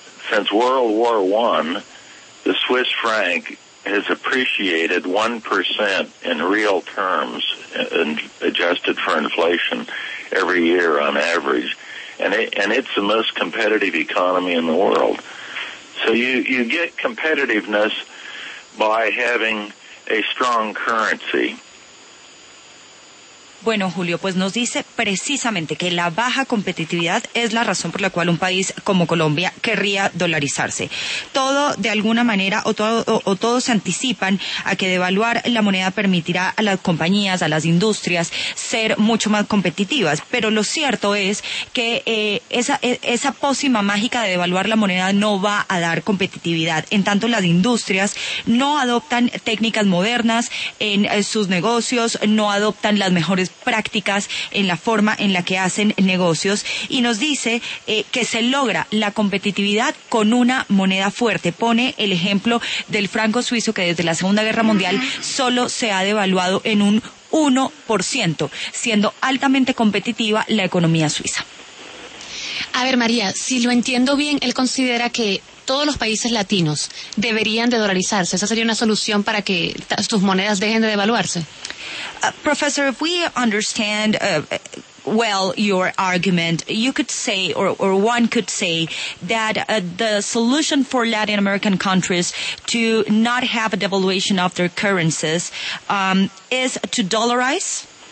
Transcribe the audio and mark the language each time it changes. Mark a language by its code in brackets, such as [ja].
[en] Since World War I, the Swiss franc has appreciated 1% in real terms and adjusted for inflation every year on average. And it's the most competitive economy in the world. So you get competitiveness by having a strong currency. [es] Bueno, Julio, pues nos dice precisamente que la baja competitividad es la razón por la cual un país como Colombia querría dolarizarse. Todo, de alguna manera, o todos anticipan a que devaluar la moneda permitirá a las compañías, a las industrias, ser mucho más competitivas. Pero lo cierto es que esa pócima mágica de devaluar la moneda no va a dar competitividad. En tanto, las industrias no adoptan técnicas modernas en sus negocios, no adoptan las mejores prácticas en la forma en la que hacen negocios, y nos dice que se logra la competitividad con una moneda fuerte. Pone el ejemplo del franco suizo, que desde la Segunda Guerra Mundial solo se ha devaluado en un 1%, siendo altamente competitiva la economía suiza. A ver, María, si lo entiendo bien, él considera que todos los países latinos deberían de dolarizarse. ¿Esa sería una solución para que sus monedas dejen de devaluarse? [en] Professor, if we understand well your argument, you could say, or one could say, that the solution for Latin American countries to not have a devaluation of their currencies is to dollarize?